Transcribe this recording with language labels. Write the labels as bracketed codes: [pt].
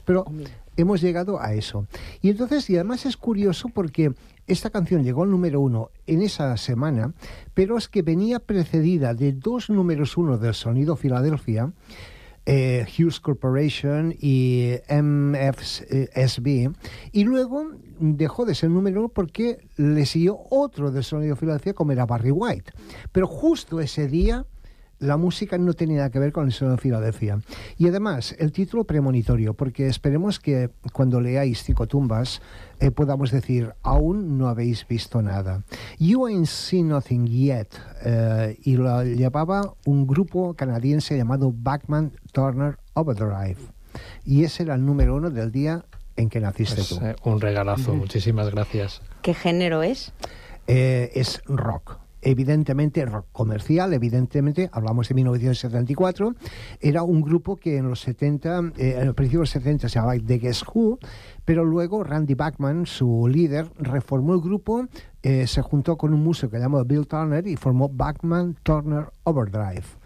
[es] Pero hemos llegado a eso. Y entonces, y además es curioso porque esta canción llegó al número 1 en esa semana, pero es que venía precedida de 2 números 1 del sonido Filadelfia, Hughes Corporation y MFSB, y luego dejó de ser número 1 porque le siguió otro del sonido Filadelfia, como era Barry White. Pero justo ese día la música no tenía nada que ver con el sonido Filadelfia. Y además, el título premonitorio, porque esperemos que cuando leáis 5 tumbas podamos decir, aún no habéis visto nada. [en] You ain't seen nothing yet. [es] Y lo llevaba un grupo canadiense llamado Bachman Turner Overdrive. Y ese era el número 1 del día en que naciste, pues, tú. Un regalazo, muchísimas gracias. ¿Qué género es? Es rock. Evidentemente rock comercial, evidentemente, hablamos de 1974, era un grupo que en los 70, en el principio de los 70 se llamaba The Guess Who, pero luego Randy Bachman, su líder, reformó el grupo, se juntó con un músico que llamaba Bill Turner y formó Bachman Turner Overdrive.